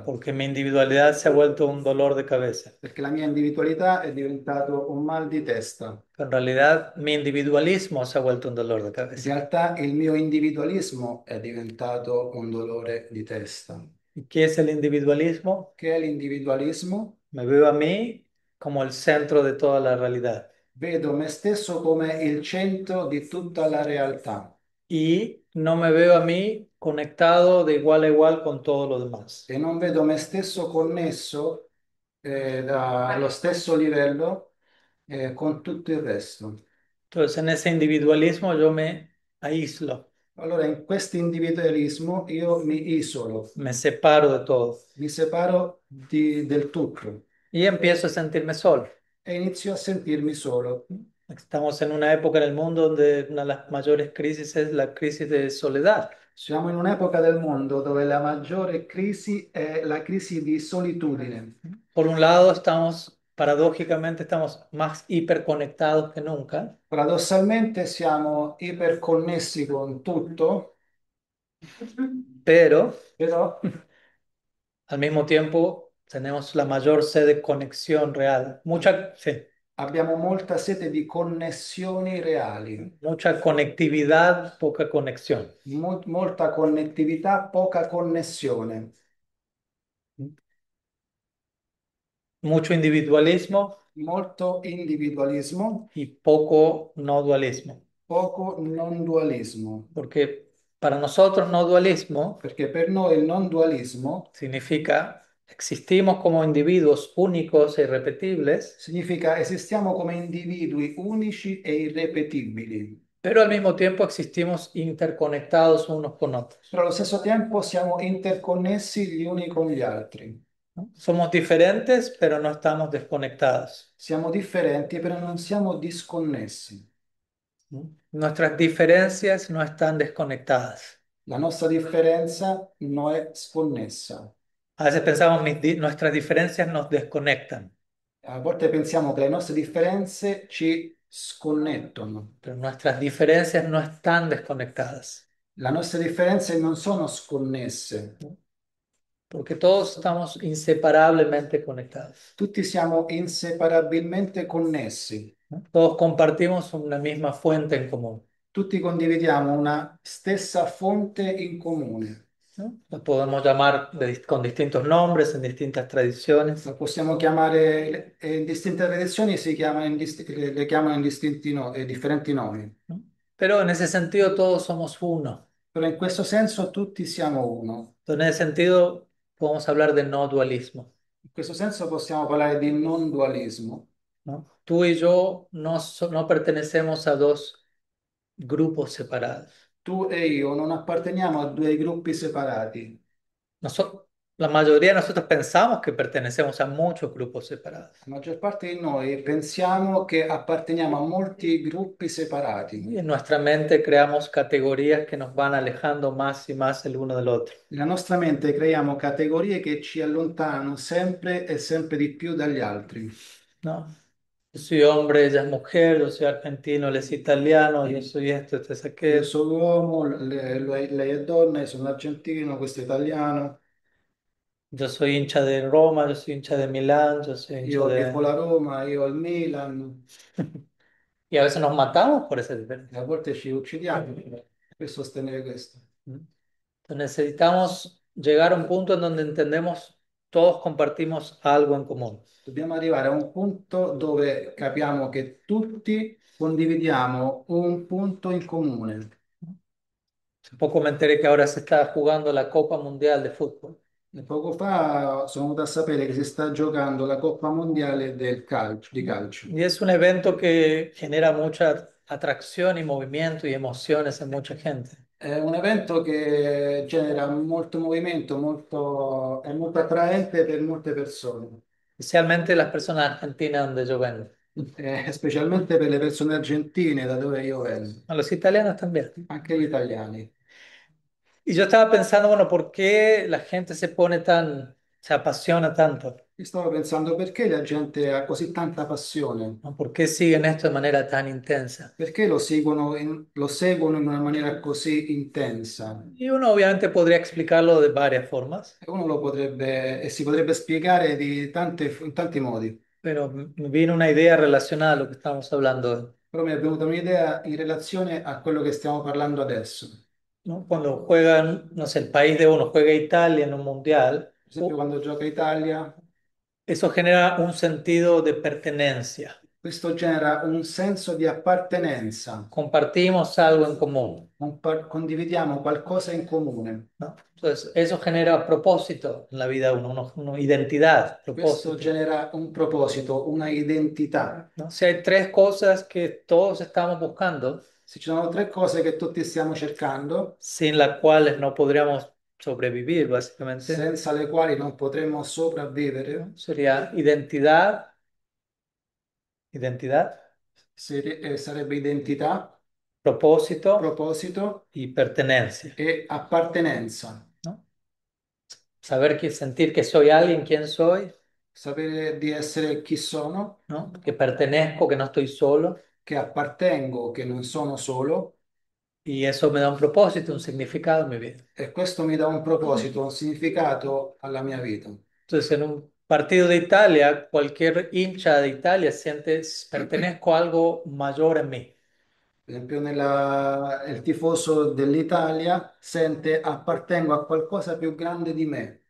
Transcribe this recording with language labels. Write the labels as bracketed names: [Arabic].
[Spanish] Porque mi individualidad se ha vuelto un dolor de cabeza. [Italian] Perché la mia individualità è diventato un mal di testa. [Spanish] En realidad, mi individualismo se ha vuelto un dolor de [Italian] In [Spanish] cabeza. [Italian] realtà il mio individualismo è diventato un dolore di testa. Che [Spanish] ¿Y qué es el individualismo? [Italian] è l'individualismo? [Spanish] Me veo a mí como el centro de toda la realidad. [Italian] Vedo me stesso come il centro di tutta la realtà. [Spanish] Y no me veo a mí conectado de igual a igual con todo lo [Italian] E [Spanish] demás. [Italian] non vedo me stesso connesso. Allo stesso livello con tutto il resto. [Spanish] Entonces, en ese individualismo yo me aíslo. [Italian] Allora, in questo individualismo io mi isolo, [Spanish] Me separo de todo. [Italian] mi separo del tutto [Spanish] Y empiezo a sentirme solo. [Italian] e inizio a sentirmi solo. [Spanish] Estamos en una época en el mundo donde una de las mayores crisis es la crisis de soledad. [Italian] Siamo in un'epoca del mondo dove la maggiore crisi è la crisi di solitudine. [Spanish] Por un lado, estamos, paradójicamente, estamos más iperconectados [Italian] che [Spanish] nunca. [Italian] Paradossalmente siamo iperconnessi con tutto, [Spanish] Pero [Italian] però [Spanish] al mismo tiempo tenemos la mayor sed de conexión real. [Italian] abbiamo molta sete di connessioni reali, [Spanish] Mucha conectividad, poca conexión. [Italian] molta connettività, poca connessione, [Spanish] Mucho individualismo [Italian] molto individualismo. [Spanish] y poco no dualismo. [Italian] Poco non dualismo. [Spanish] Porque para nosotros no dualismo [Italian] Perché per noi il non dualismo [Spanish] significa existimos como individuos únicos e irrepetibles, [Italian] significa esistiamo come individui unici e irrepetibili. [Spanish] pero al mismo tiempo existimos interconectados unos con otros. [Italian] Però allo stesso tempo siamo interconnessi gli uni con gli altri. [Spanish] Somos diferentes, pero no estamos desconectados. [Italian] Siamo differenti, però non siamo disconnessi. [Spanish] Nuestras diferencias no están desconectadas. [Italian] La nostra differenza non è sconnessa. A [Spanish] A veces pensamos [Italian] che [Spanish] nuestras diferencias nos desconectan. [Italian] volte pensiamo che le nostre differenze ci sconnettono. [Spanish] Pero nuestras diferencias no están desconectadas. [Italian] Le nostre differenze non sono sconnesse. [Spanish] Porque todos estamos inseparablemente conectados. [Italian] Tutti siamo inseparabilmente connessi. [Spanish] Todos compartimos una misma fuente en [Italian] comune. Tutti condividiamo una stessa fonte in comune. [Spanish] Lo podemos llamar con distintos nombres, en distintas [Italian] La [Spanish] tradiciones. [Italian] possiamo chiamare in distinte tradizioni, le chiamano in distinti no, differenti nomi. [Spanish] Pero en ese sentido todos somos uno. Pero en [Italian] questo senso tutti siamo uno. [Spanish] En ese sentido, podemos hablar de no dualismo. [Italian] In questo senso possiamo parlare di non dualismo. [Spanish] ¿No? Tú y yo no pertenecemos a dos grupos separados. [Italian] Tu e io non apparteniamo a due gruppi separati. [Spanish] La mayoría de nosotros pensamos que pertenecemos a muchos grupos separados. [Italian] La maggior parte di noi pensiamo che apparteniamo a molti gruppi separati. [Spanish] En nuestra mente creamos categorías que nos van alejando más y más el uno del otro. [Italian] Nella nostra mente creiamo categorie che ci allontanano sempre e sempre di più dagli altri. [Spanish] No, yo soy hombre, ella es mujer, yo soy argentino, él es italiano, yo soy esto, este es [Italian] Io [Spanish] aquel. [Italian] sono uomo, lei è donna, io sono argentino, questo è italiano. [Spanish] Yo soy hincha de Roma, yo soy hincha de Milán, yo soy hincha [Italian] Io tifo [Spanish] de. [Italian] la Roma, io al Milan. [Spanish] Y a veces nos matamos por esa diferencia. [Italian] A volte ci uccidiamo per sostenere questo. [Spanish] Necesitamos llegar a un punto en donde entendemos, todos compartimos algo en común. [Italian] Dobbiamo arrivare a un punto dove capiamo che tutti condividiamo un punto in comune. [Spanish] Poco me enteré que ahora se está jugando la Copa Mundial de Fútbol. [Italian] E poco fa sono venuto a sapere che si sta giocando la Coppa Mondiale del calcio, di calcio. [Spanish] Y es un evento que genera mucha atracción y movimiento y emociones en mucha gente. [Italian] È un evento che genera molto movimento, è molto attraente per molte persone. [Spanish] Especialmente las personas argentinas donde yo vengo. [Italian] Specialmente per le persone argentine, da dove io vengo, [Spanish] A los italianos también. [Italian] anche gli italiani. [Spanish] Y yo estaba pensando, bueno, ¿por qué la gente se pone tan, se apasiona tanto? [Italian] Stavo pensando perché la gente ha così tanta passione, [Spanish] ¿Por qué siguen esto de manera tan intensa? [Italian] perché lo seguono in una maniera così intensa. E [Spanish] Y uno obviamente podría explicarlo de varias formas. [Italian] uno lo potrebbe e si potrebbe spiegare in tanti modi. [Spanish] Pero me viene una idea relacionada a lo que estamos hablando. [Italian] Però mi è venuta un'idea in relazione a quello che stiamo parlando adesso. Per [Spanish] Cuando juegan, no sé, el país de uno juega Italia en un mundial, [Italian] esempio, quando gioca Italia, [Spanish] eso genera un sentido de pertenencia. [Italian] questo genera un senso di appartenenza. [Spanish] Compartimos algo en común. [Italian] Condividiamo qualcosa in comune. [Spanish] ¿No? Entonces, eso genera propósito en la vida de uno, identidad, [Italian] Questo [Spanish] propósito. [Italian] genera un proposito, una identità. [Spanish] ¿No? Si hay tres cosas que todos estamos buscando, [Italian] Se ci sono tre cose che tutti stiamo cercando, [Spanish] sin las cuales no podríamos sobrevivir, básicamente. [Italian] senza le quali non potremmo sopravvivere, [Spanish] Sería identidad, [Italian] sarebbe identità, [Spanish] propósito [Italian] proposito [Spanish] y pertenencia. [Italian] e appartenenza. [Spanish] Saber que sentir que soy alguien, quién soy, [Italian] Sapere di essere chi sono. [Spanish] ¿no? Que pertenezco, que no estoy solo. [Italian] Che appartengo, che non sono solo, [Spanish] Y eso me da un propósito, un significado en mi vida. [Italian] e questo mi dà un proposito, un significato alla mia vita. [Spanish] Entonces, en un partido de Italia, cualquier hincha de Italia siente, [Italian] Per [Spanish] pertenezco a algo mayor en mí. [Italian] esempio, il tifoso dell'Italia sente: appartengo a qualcosa più grande di me.